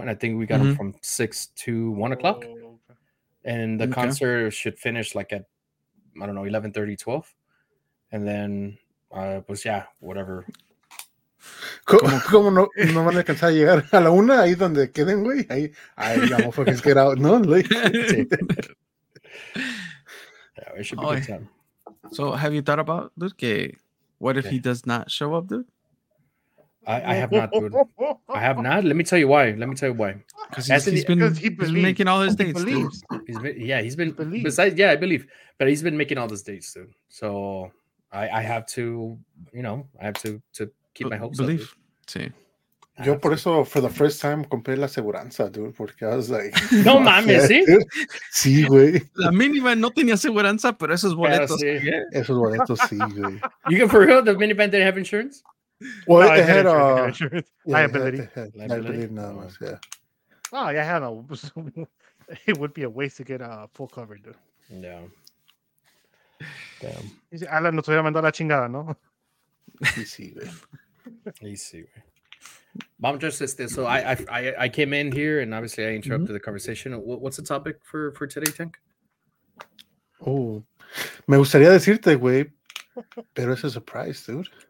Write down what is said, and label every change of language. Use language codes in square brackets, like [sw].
[en] And I think we got them from 6 to 1 o'clock. And the concert should finish like at, I don't know, 11:30, 12. And then, whatever. [es] ¿Cómo no van a alcanzar a llegar a la una ahí donde queden, güey? Ahí la [en] motherfuckers get out, no? Yeah, it should be good time. So have you thought about, dude, what if he does not show up, dude? I have not, dude. I have not. Let me tell you why. Because he's been making all his dates, dude. But he's been making all his dates, dude. So I have to keep my hopes up. [es] Yo por eso, [en] for the first time, [es] compré la aseguranza, dude, porque [en] I was like... [es] No mames, ¿sí? Sí, güey. La minivan no tenía aseguranza, pero esos boletos... Pero sí, yeah. Esos boletos, sí, güey. [en] You can, for real, the minivan didn't have insurance? Well, no, it had liability. Liability, [es] nada más, [en] yeah. Oh, yeah, it would be a waste to get a full cover, dude. No. [es] Damn. Alan, nos hubiera mandado la chingada, ¿no? Sí, güey. [en] Mom just says this, so I came in here and obviously I interrupted the conversation. What's the topic for today, Tank? [es] Oh, me gustaría decirte, güey, pero es [en] a surprise, [es] dude.